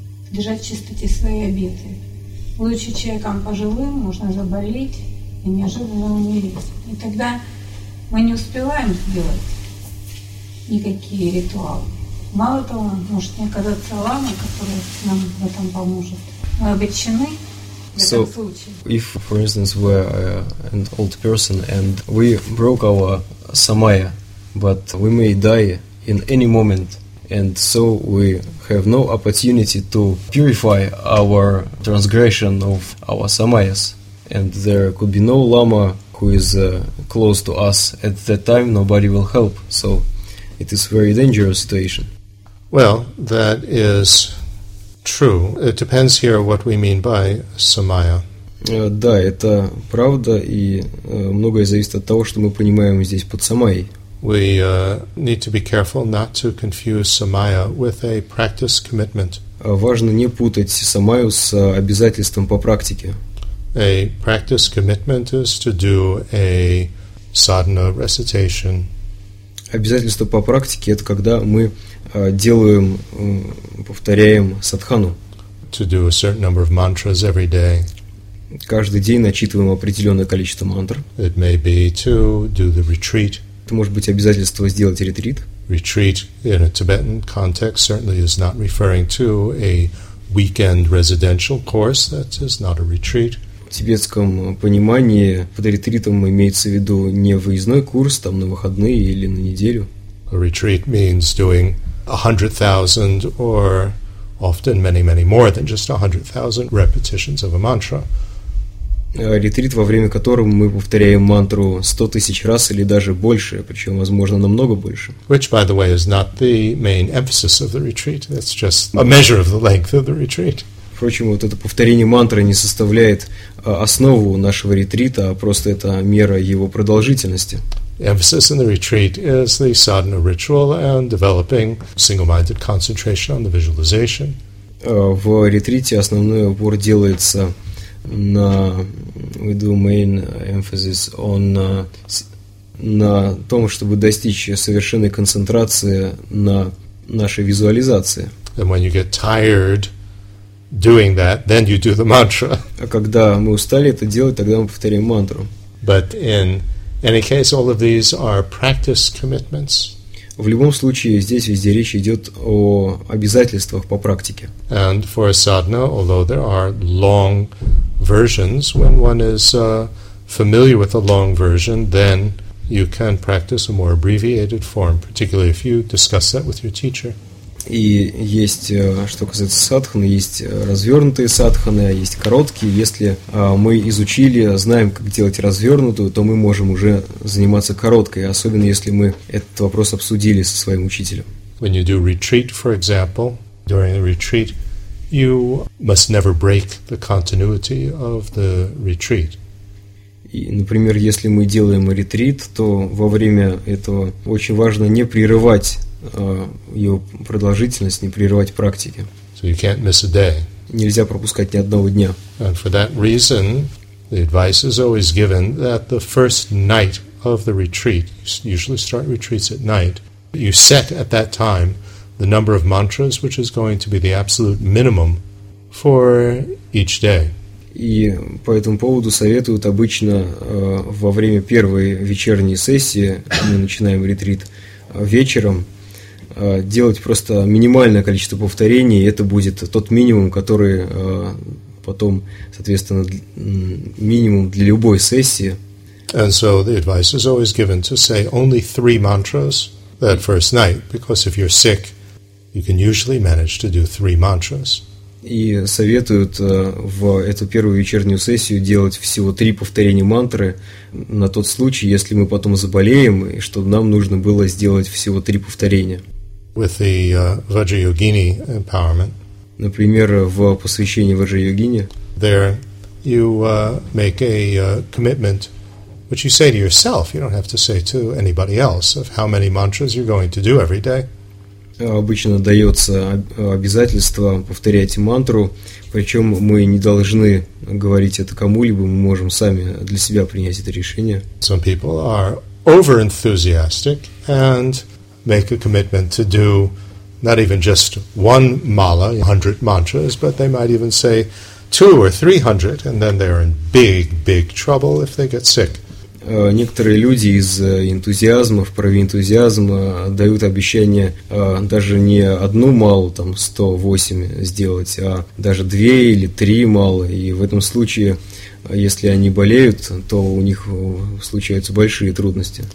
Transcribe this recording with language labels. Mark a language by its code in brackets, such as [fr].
[ru] Держать в чистоте свои обеты. Будучи человеком пожилым, можно заболеть и неожиданно умереть. И тогда мы не успеваем сделать никакие ритуалы. Мало того, может не оказаться лама, который нам в этом поможет. Мы обречены. [en] So, if, for instance, we're an old person and we broke our samaya, but we may die in any moment, and so we have no opportunity to purify our transgression of our samayas, and there could be no lama who is close to us at that time. Nobody will help, so it is a very dangerous situation. Well, that is true. It depends here what we mean by samaya. [ru] Да, это правда, и многое зависит от того, что мы понимаем здесь под самаей. [en] We need to be careful not to confuse samaya with a practice commitment. [ru] Важно не путать самаю с обязательством по практике. [en] A practice commitment is to do a sadhana recitation. [ru] Обязательство по практике это когда мы делаем, повторяем садхану. [en] To do a certain number of mantras every day. [ru] Каждый день начитываем определенное количество мантр. [en] It may be to do the retreat. [ru] Это может быть обязательство сделать ретрит. [en] Retreat in a Tibetan context certainly is not referring to a weekend residential course. That is not a retreat. [ru] тибетском понимании под ретритом имеется в виду не выездной курс, там на выходные или на неделю. [en] A retreat means doing 100,000 or often many, many more than just 100,000 repetitions of a mantra. [ru] Ретрит, во время которого мы повторяем мантру 100 тысяч раз или даже больше, причем, возможно, намного больше. [en] Which, by the way, is not the main emphasis of the retreat. That's just a measure of the length of the retreat. [ru] Впрочем, вот это повторение мантры не составляет основу нашего ретрита, а просто это мера его продолжительности. [en] Emphasis in the retreat is the sadhana ritual and developing single-minded concentration on the visualization. [ru] В ретрите основной упор делается на [en] we do main emphasis on [ru] на том, чтобы достичь совершенной концентрации на нашей визуализации. [en] And when you get tired doing that, then you do the mantra. [ru] А когда мы устали это делать, тогда мы повторяем мантру. [en] But in any case, all of these are practice commitments. [ru] В любом случае, здесь везде речь идет о обязательствах по практике. [en] And for a sadhana, although there are long versions, when one is familiar with a long version, then you can practice a more abbreviated form, particularly if you discuss that with your teacher. [ru] И есть, что касается садханы, есть развернутые садханы, есть короткие. Если мы изучили, знаем, как делать развернутую, то мы можем уже заниматься короткой, особенно если мы этот вопрос обсудили со своим учителем. [en] When you do retreat, for example, during the retreat, you must never break the continuity of the retreat. [ru] И, например, если мы делаем ретрит, то во время этого очень важно не прерывать ее продолжительность, не прерывать практики. [en] So you can't miss a day. [ru] Нельзя пропускать ни одного дня. [en] And for that reason, the advice is always given that the first night of the retreat, usually start retreats at night, you set at that time the number of mantras, which is going to be the absolute minimum for each day. [ru] И по этому поводу советуют обычно во время первой вечерней сессии, мы начинаем ретрит вечером, делать просто минимальное количество повторений, и это будет тот минимум, который потом, соответственно, минимум для любой сессии. [en] And so the advice is always given to say only three mantras that first night, because if you're sick, you can usually manage to do three mantras. [ru] И советуют в эту первую вечернюю сессию делать всего три повторения мантры на тот случай, если мы потом заболеем, и что нам нужно было сделать всего три повторения. [en] With the Vajrayogini empowerment. [ru] Например, в посвящении Vajrayogini. [en] There you make a commitment, which you say to yourself, you don't have to say to anybody else, of how many mantras you're going to do every day. [ru] Обычно дается обязательство повторять мантру, причем мы не должны говорить это кому-либо, мы можем сами для себя принять это решение. [en] Some people are over-enthusiastic and make a commitment to do not even just one mala, 100 mantras, but they might even say 200 or 300, and then they're in big, big trouble if they get sick. [ru] Некоторые люди из энтузиазма, в праве энтузиазма, дают обещание даже не одну малу, там 108 сделать, а даже 2 или 3 малы, и в этом случае, если они болеют, то у них случаются большие трудности.